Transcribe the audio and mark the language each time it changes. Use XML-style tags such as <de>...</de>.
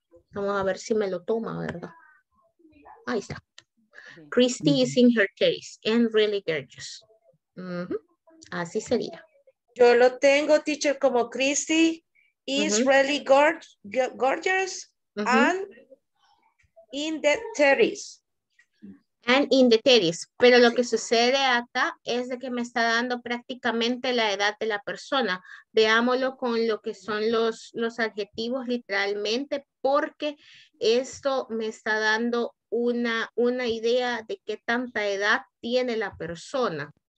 <es>Vamos a ver si me lo toma, ¿verdad? Ahí está.</es> <en>Christy is in her 30s and really gorgeous.</en> <es>Así sería. Yo lo tengo, teacher, como</es> <en>Christy is really gorgeous and in the 30s. And in the 30s.</en> <es>Pero lo que sucede acá es de que me está dando prácticamente la edad de la persona. Veámoslo con lo que son los adjetivos literalmente, porque esto me está dando una idea de qué tanta edad tiene la persona.</es>